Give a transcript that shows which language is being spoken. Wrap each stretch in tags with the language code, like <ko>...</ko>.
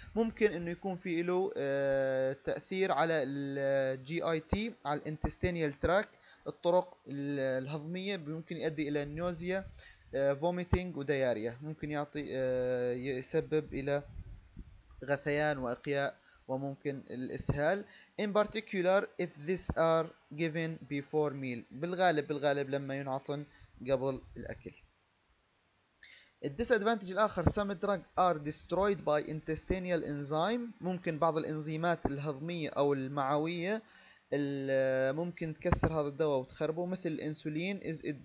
<ar>ممكن انه يكون في له تاثير على الجي اي تي، على الانتستينيال تراك الطرق الهضميه، ممكن يؤدي الى النوزيا فوميتينج ودياريا، ممكن يعطي يسبب الى غثيان واقياء وممكن الاسهال.</ar> <en>In particular if these are given before meal،</en> <ar>بالغالب لما ينعطن قبل الاكل. الديسادفانتج الاخر</ar> <en>some drug are destroyed by intestinal enzyme,</en> <ar>ممكن بعض الانزيمات الهضميه او المعويه ممكن تكسر هذا الدواء وتخربه، مثل الانسولين از</ar>